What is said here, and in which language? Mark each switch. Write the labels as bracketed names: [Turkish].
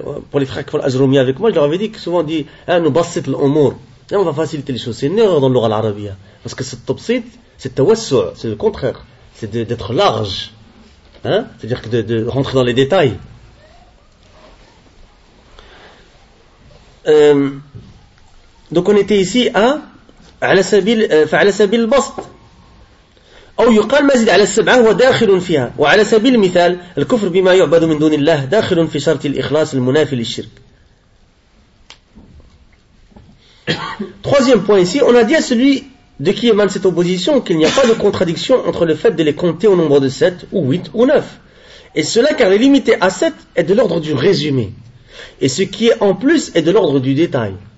[French] Pour les frères qui font l'ajroumia avec moi, je leur avais dit que souvent on dit [Arabic] نبسط الأمور, [French] on va faciliter les choses. C'est une erreur dans la langue arabe, parce que cette tabsit, c'est tawassu, c'est le contraire, c'est d'être large, c'est-à-dire que de rentrer dans les détails. Donc on était ici à [Arabic] على سبيل فعلى سبيل البسط أو يقال ما زيد على السبعة هو داخل فيها. وعلى سبيل المثال الكفر بما يعبد من دون الله داخل في شرط الإخلاص المنافي للشرك. [French] Troisième point ici, on a dit à celui de qui émane cette opposition qu'il n'y a pas de contradiction entre le fait de les compter au nombre de 7 ou 8 ou 9. Et cela car les limiter à 7 est de l'ordre du résumé. Et ce qui est en plus est de l'ordre du détail.